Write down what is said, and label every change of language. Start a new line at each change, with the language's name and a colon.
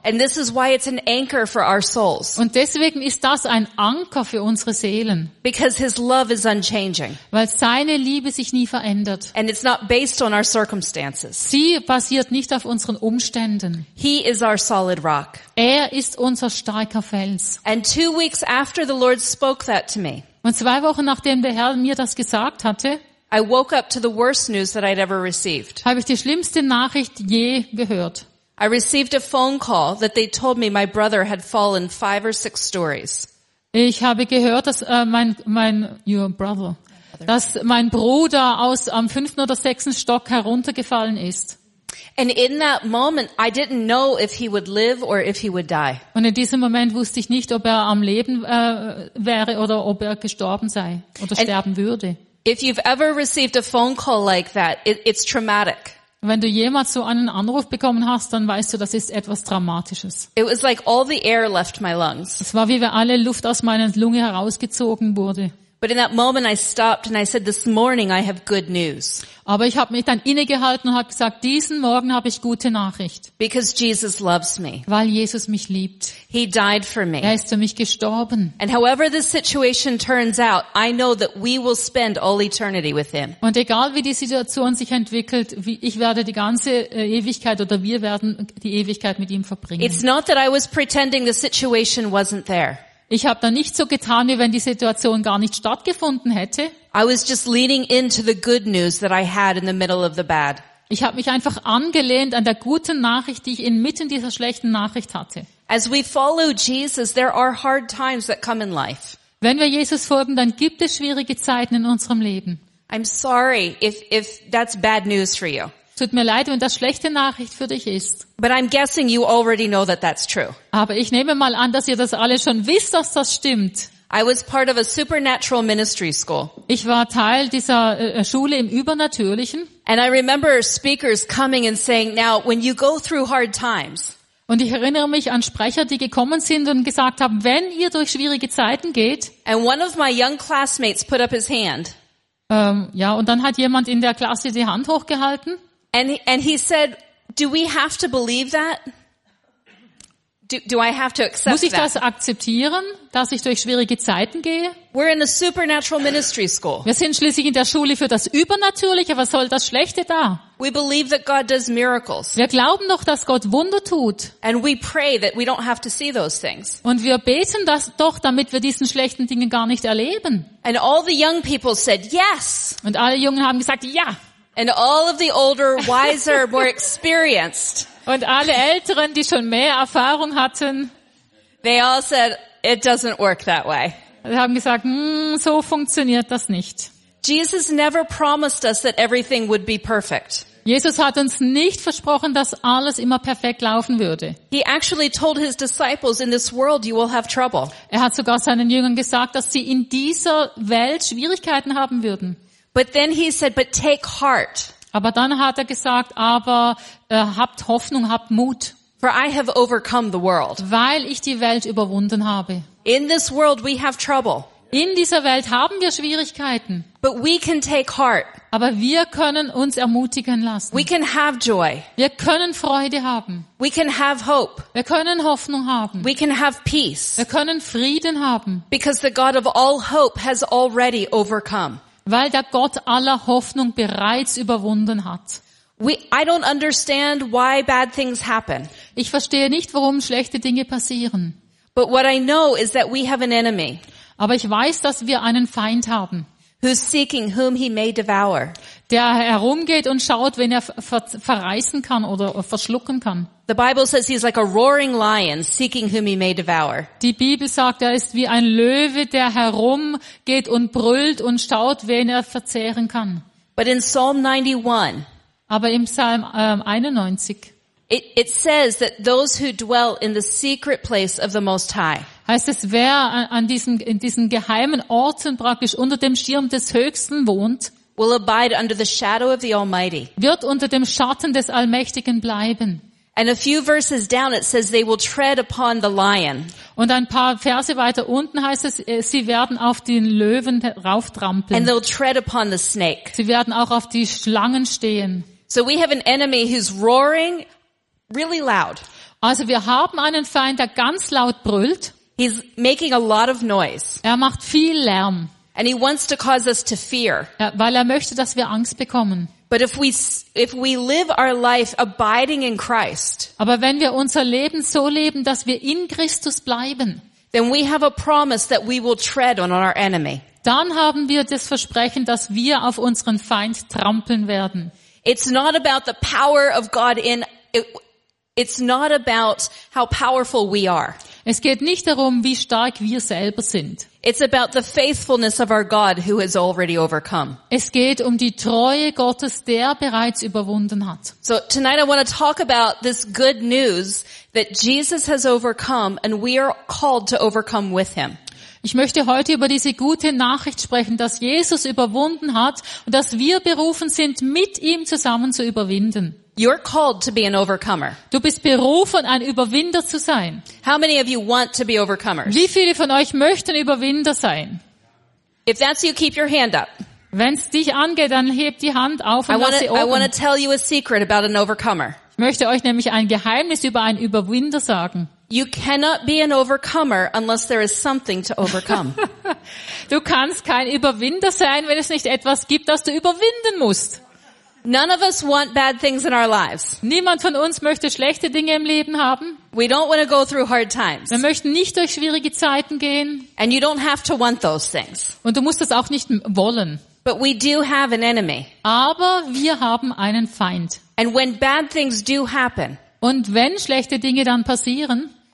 English: And this is why it's an anchor for our souls.
German: Und deswegen ist das ein Anker für unsere Seelen.
English: Because his love is unchanging.
German: Weil seine Liebe sich nie verändert.
English: And it's not based on our circumstances.
German: Sie basiert nicht auf unseren Umständen.
English: He is our solid rock.
German: Er ist unser starker Fels.
English: And 2 weeks after the Lord spoke that to me.
German: Und 2 Wochen nachdem der Herr mir das gesagt hatte,
English: I woke up to the worst news that I'd ever received.
German: Habe ich die schlimmste Nachricht je gehört.
English: I received a phone call that they told me my brother had fallen 5 or 6 stories.
German: Ich habe gehört, dass mein Bruder aus am 5. oder 6. Stock heruntergefallen ist.
English: And in that moment I didn't know if he would live or if he would die.
German: Und in diesem Moment wusste ich nicht, ob er am Leben wäre oder ob er gestorben sei oder sterben würde.
English: If you've ever received a phone call like that, it's traumatic.
German: Wenn du jemals so einen Anruf bekommen hast, dann weißt du, das ist etwas Dramatisches.
English: It was like all the air left my lungs.
German: Es war wie wenn alle Luft aus meiner Lunge herausgezogen wurde.
English: But in that moment I stopped and I said, this morning I have good news.
German: Aber ich habe mich dann innegehalten und habe gesagt, diesen Morgen habe ich gute Nachricht.
English: Because Jesus loves me.
German: Weil Jesus mich liebt.
English: He died for me.
German: Er ist für mich gestorben.
English: And however the situation turns out, I know that we will spend all eternity with him.
German: Und egal wie die Situation sich entwickelt, ich werde die ganze Ewigkeit oder wir werden die Ewigkeit mit ihm verbringen.
English: It's not that I was pretending the situation wasn't there.
German: Ich habe da nicht so getan, wie wenn die Situation gar nicht stattgefunden hätte.
English: I was just leaning into the good news that I had in the middle of the bad.
German: Ich habe mich einfach angelehnt an der guten Nachricht, die ich inmitten dieser schlechten Nachricht hatte.
English: As we follow Jesus, there are hard times that come in life.
German: Wenn wir Jesus folgen, dann gibt es schwierige Zeiten in unserem Leben.
English: I'm sorry if that's bad news for you.
German: Tut mir leid, wenn das schlechte Nachricht für dich ist.
English: But I'm guessing you already know that that's true.
German: Aber ich nehme mal an, dass ihr das alle schon wisst, dass das stimmt.
English: I was part of a supernatural ministry school.
German: Ich war Teil dieser Schule im Übernatürlichen.
English: And I remember speakers coming and saying, now when you go through hard times.
German: Und ich erinnere mich an Sprecher, die gekommen sind und gesagt haben, wenn ihr durch schwierige Zeiten geht.
English: And one of my young classmates put up his hand.
German: Ja, und dann hat jemand in der Klasse die Hand hochgehalten.
English: And he said, do we have to believe that? Do I have to accept that?
German: Muss ich das akzeptieren, dass ich durch schwierige Zeiten gehe?
English: We're in the supernatural ministry school.
German: Wir sind schließlich in der Schule für das Übernatürliche. Was soll das Schlechte da?
English: We believe that God does miracles.
German: Wir glauben doch, dass Gott Wunder tut.
English: And we pray that we don't have to see those things.
German: Und wir beten das doch, damit wir diesen schlechten Dingen gar nicht erleben.
English: And all the young people said yes.
German: Und alle Jungen haben gesagt ja.
English: And all of the older, wiser, more experienced.
German: Und alle Älteren, die schon mehr Erfahrung hatten,
English: they all said, it doesn't work that way.
German: Sie haben gesagt, so funktioniert das nicht.
English: Jesus never promised us that everything would be perfect.
German: Jesus hat uns nicht versprochen, dass alles immer perfekt laufen würde.
English: He actually told his disciples, in this world you will have trouble.
German: Er hat sogar seinen Jüngern gesagt, dass sie in dieser Welt Schwierigkeiten haben würden.
English: But then he said, but take heart.
German: Aber dann hat er gesagt, aber habt Hoffnung, habt Mut.
English: For I have overcome the world.
German: Weil ich die Welt überwunden habe.
English: In this world we have trouble.
German: In dieser Welt haben wir Schwierigkeiten.
English: But we can take heart.
German: Aber wir können uns ermutigen lassen.
English: We can have joy.
German: Wir können Freude haben.
English: We can have hope.
German: Wir können Hoffnung haben.
English: We can have peace.
German: Wir können Frieden haben.
English: Because the God of all hope has already overcome.
German: Weil der Gott aller Hoffnung bereits überwunden hat.
English: I don't understand why bad things happen.
German: Ich verstehe nicht, warum schlechte Dinge passieren.
English: But what I know is that we have an enemy.
German: Aber ich weiß, dass wir einen Feind haben.
English: Who's seeking whom he may devour.
German: Der herumgeht und schaut, wen er verreißen kann oder verschlucken kann.
English: The Bible says he's like a roaring lion seeking whom he may devour.
German: Die Bibel sagt, er ist wie ein Löwe, der herumgeht und brüllt und schaut, wen er verzehren kann.
English: But in Psalm 91,
German: aber im Psalm 91,
English: it says that those who dwell in the secret place of the Most High.
German: Heißt es, wer in diesen geheimen Orten praktisch unter dem Schirm des Höchsten wohnt,
English: will abide under the shadow of the Almighty.
German: Wird unter dem Schatten des Allmächtigen bleiben.
English: And a few verses down it says they will tread upon the lion.
German: Und ein paar Verse weiter unten heißt es, sie werden auf den Löwen rauftrampeln.
English: And they'll tread upon the snake.
German: Sie werden auch auf die Schlangen stehen.
English: So we have an enemy who's roaring really loud.
German: Also wir haben einen Feind, der ganz laut brüllt.
English: He's making a lot of noise.
German: Er macht viel Lärm.
English: And he wants to cause us to fear.
German: Ja, weil er möchte, dass wir Angst bekommen.
English: But if we live our life abiding in Christ.
German: Aber wenn wir unser Leben so leben, dass wir in Christus bleiben,
English: then we have a promise that we will tread on our enemy.
German: Dann haben wir das Versprechen, dass wir auf unseren Feind trampeln werden.
English: It's not about the power of God in it's not about how powerful we are.
German: Es geht nicht darum, wie stark wir selber sind.
English: It's about the faithfulness of our God who has already overcome.
German: Es geht um die Treue Gottes, der bereits überwunden hat.
English: So tonight I want to talk about this good news that Jesus has overcome and we are called to overcome with him.
German: Ich möchte heute über diese gute Nachricht sprechen, dass Jesus überwunden hat und dass wir berufen sind, mit ihm zusammen zu überwinden.
English: You're called to be an overcomer.
German: Du bist berufen, ein Überwinder zu sein.
English: How many of you want to be overcomers?
German: Wie viele von euch möchten Überwinder sein?
English: If that's you, keep your hand up.
German: Wenn es dich angeht, dann heb die Hand auf und lass sie oben.
English: I want to tell you a secret about an overcomer.
German: Ich möchte euch nämlich ein Geheimnis über einen Überwinder sagen.
English: You cannot be an overcomer unless there is something to overcome.
German: Du kannst kein Überwinder sein, wenn es nicht etwas gibt, das du überwinden musst.
English: None of us want bad things in our lives.
German: Niemand von uns möchte schlechte Dinge im Leben haben.
English: We don't want to go through hard times.
German: Wir möchten nicht durch schwierige Zeiten gehen.
English: And you don't have to want those things.
German: Und du musst es auch nicht wollen.
English: But we do have an enemy.
German: Aber wir haben einen Feind.
English: And when bad things do happen.
German: Und wenn schlechte Dinge dann passieren,